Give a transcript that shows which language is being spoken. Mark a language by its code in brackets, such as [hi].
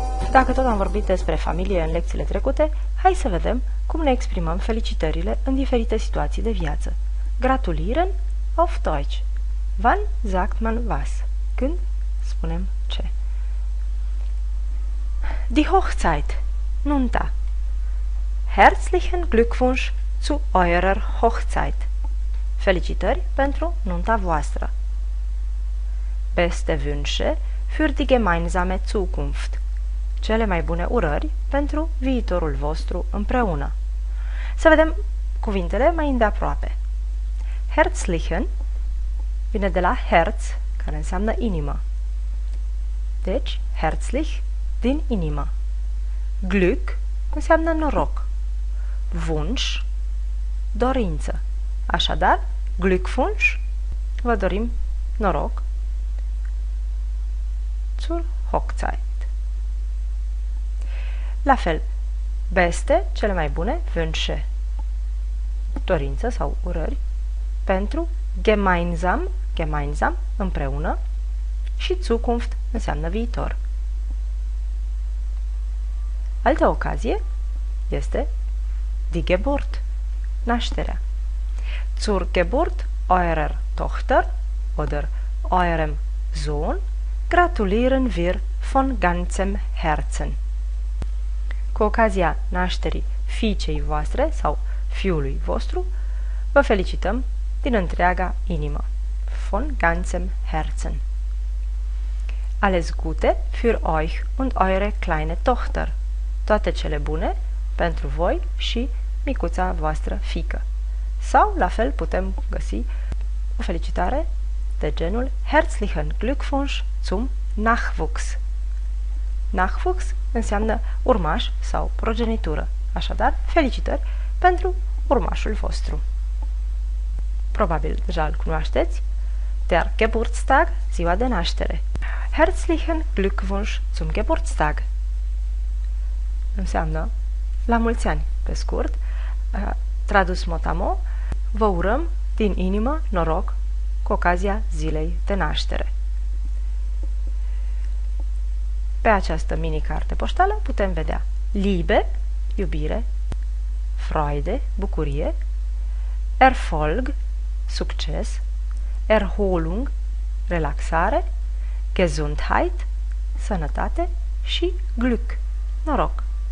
[ro] Dacă tot am vorbit despre familie în lecțiile trecute, hai să vedem cum ne exprimăm felicitările în diferite situații de viață. [de] Gratulieren auf Deutsch. Wann sagt man was? [ro] Când spunem ce? [de] Die Hochzeit. Nunta. Herzlichen Glückwunsch zu eurer Hochzeit. [ro] Felicitări pentru nunta voastră. [de] Beste Wünsche für die gemeinsame Zukunft. [ro] Cele mai bune urări pentru viitorul vostru împreună. Să vedem cuvintele mai îndeaproape. Herzlichen vine de la Herz, care înseamnă inimă. Deci, herzlich, din inimă. Glück înseamnă noroc. Wunsch, dorință. Așadar, Glückwunsch, vă dorim noroc. [de] Zur Hochzeit. [ro] La fel, beste, cele mai bune, wünsche, dorință sau urări, pentru gemeinsam, gemeinsam, împreună, și Zukunft înseamnă viitor. Altă ocazie este die Geburt, nașterea. [de] Zur Geburt eurer Tochter oder eurem Sohn gratulieren wir von ganzem Herzen. [ro] Cu ocazia nașterii fiicei voastre sau fiului vostru, vă felicităm din întreaga inimă. [de] Von ganzem Herzen. Alles Gute für euch und eure kleine Tochter. [ro] Toate cele bune pentru voi și micuța voastră fiică. Sau, la fel, putem găsi o felicitare de genul [de] Herzlichen Glückwunsch zum Nachwuchs. [ro] Nachwuchs înseamnă urmaș sau progenitură. Așadar, felicitări pentru urmașul vostru. Probabil deja îl cunoașteți. [de] Der Geburtstag, [ro] ziua de naștere. [de] Herzlichen Glückwunsch zum Geburtstag. [ro] Înseamnă la mulți ani, pe scurt, tradus motamo, vă urăm din inimă noroc cu ocazia zilei de naștere. Pe această mini-carte poștală putem vedea Liebe, iubire, Freude, bucurie, Erfolg, succes, Erholung, relaxare, Gesundheit, sănătate și Glück, noroc.